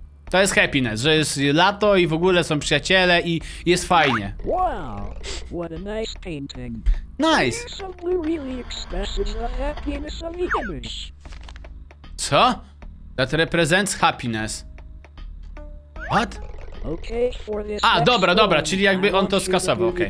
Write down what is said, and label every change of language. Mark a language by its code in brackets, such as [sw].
[pl] To jest happiness, że jest lato i w ogóle są przyjaciele i jest fajnie. [en] Wow, what a nice painting. Nice. Something really expresses the happiness of the image. [pl] Co? [en] That represents happiness. What? Okay, for this [pl] a, dobra, dobra, czyli jakby on to skasował, okej.